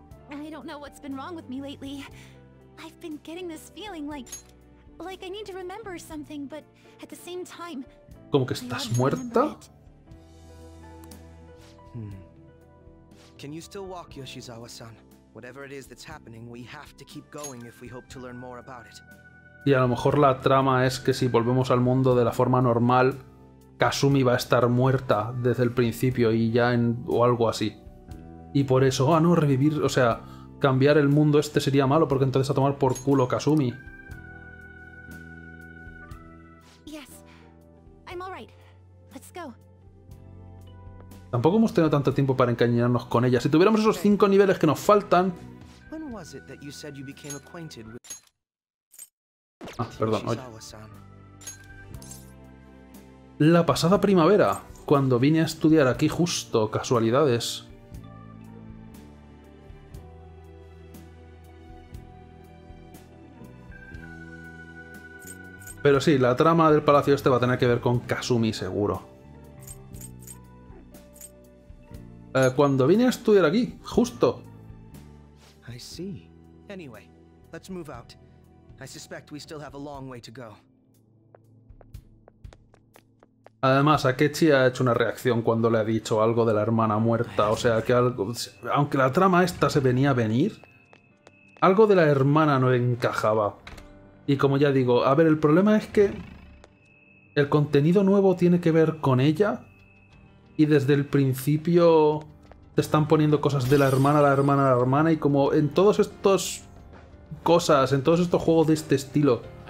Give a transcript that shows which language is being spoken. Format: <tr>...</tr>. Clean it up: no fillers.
<en>I don't know what's been wrong with me lately. I've been getting this feeling like I need to remember something, but at the same time.</en> <es>¿Cómo que estás muerta?</es> <en>Can you still walk, Yoshizawa-san? Whatever it is that's happening, we have to keep going if we hope to learn more about it.</en> <es>Y a lo mejor la trama es que si volvemos al mundo de la forma normal, Kasumi va a estar muerta desde el principio y ya en, o algo así. Y por eso, ah, no, revivir, o sea, cambiar el mundo este sería malo porque entonces a tomar por culo Kasumi.</es> <en>Yes. I'm all right. Let's go.</en> <es>Tampoco hemos tenido tanto tiempo para encariñarnos con ella. Si tuviéramos esos 5 niveles que nos faltan.</es> <en>When was it that you said you became acquainted with...</en> <es>Ah, perdón, oye. La pasada primavera, cuando vine a estudiar aquí justo, casualidades. Pero sí, la trama del palacio este va a tener que ver con Kasumi, seguro. Cuando vine a estudiar aquí, justo.</es> <en>I see. Anyway, let's move out. I suspect we still have a long way to go.</en> <es>Además, Akechi ha hecho una reacción cuando le ha dicho algo de la hermana muerta, o sea que algo... Aunque la trama esta se venía a venir, algo de la hermana no encajaba. Y como ya digo, a ver, el problema es que el contenido nuevo tiene que ver con ella y desde el principio te están poniendo cosas de la hermana, y como en todos estos cosas, en todos estos juegos de este estilo...</es>